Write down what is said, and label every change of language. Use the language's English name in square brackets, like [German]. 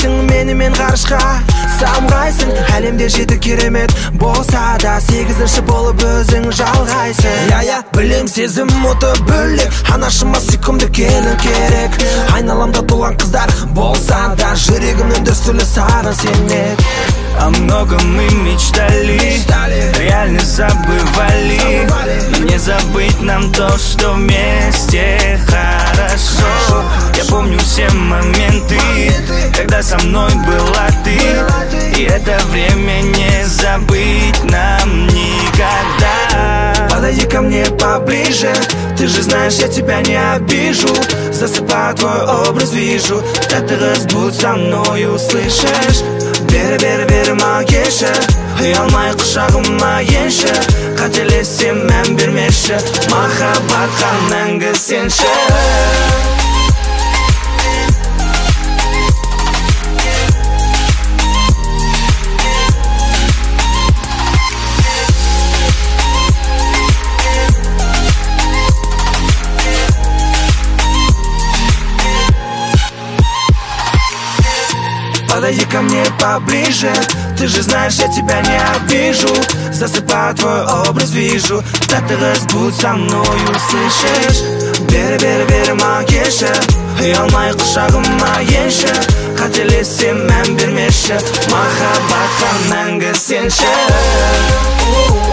[Kazakh] Менімен ғарышқа самғайсың, әлемде жеті керемет болса да сегізінші болып өзің жалғайсың. Я білем, сезім мұты бөлек, анашыма сүйкімді келін керек. Айналамда тұлған қыздар болса да жүрегімнің дүрсілі сағын сенмек. [Russian] О многом мы мечтали, реально забывали. Не забыть нам то, что вместе хорошо. Я помню все моменты, когда со мной была ты. И это время не забыть нам никогда. Подойди ко мне поближе, ты же знаешь, я тебя не обижу. Засыпаю, твой образ вижу, да ты разбудь со мною, слышишь? [Kazakh] Бері-бері-бері мағеші, ұялмай құшағыма енші. Қателесем мән бермеші, махаббатқа мәңгі сенші. [Russian] Подойди ко мне поближе, ты же знаешь, я тебя не обижу. Засыпаю, твой образ вижу, да ты разбудь со мною, слышишь? [Kazakh] Бері-бері-бері мағеші, ұялмай құшағыма енші. Қателесем мән бермеші, махаббатқа мәңгі сенші.